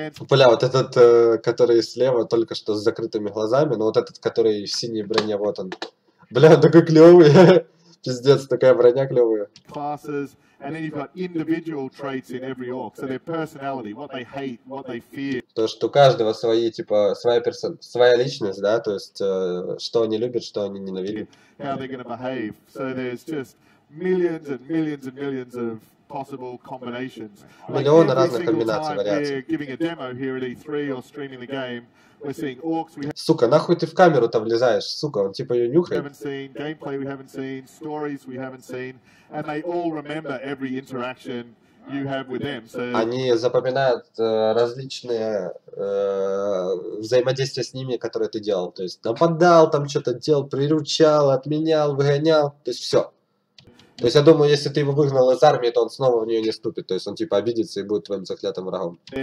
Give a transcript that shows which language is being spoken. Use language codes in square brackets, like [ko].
[ru] Бля, вот этот, который слева, только что с закрытыми глазами, но вот этот, который в синей броне, вот он. Бля, он такой клевый. Пиздец, такая броня клевая. [en] And then you've got individual traits in every orc, so their personality, what they hate, what they fear. [ru] То, что у каждого свои, типа, своя своя личность, да, то есть что они любят, что они ненавидят. [en] How they're going to behave. So there's just millions and millions and millions of possible combinations. [ru] Миллионы разных комбинаций, вариаций. [en] We're giving a demo here at E3 or streaming the game. We're seeing orcs. [ru] Сука, нахуй ты в камеру-то влезаешь, сука, он типа ее нюхает. [en] We haven't seen gameplay, we haven't seen stories, we haven't seen. And they all remember every interaction you have with them. So... [ru] Они запоминают различные взаимодействия с ними, которые ты делал. То есть нападал, там что-то делал, приручал, отменял, выгонял, то есть все. То есть я думаю, если ты его выгнал из армии, то он снова в нее не ступит. То есть он типа обидится и будет твоим заклятым врагом.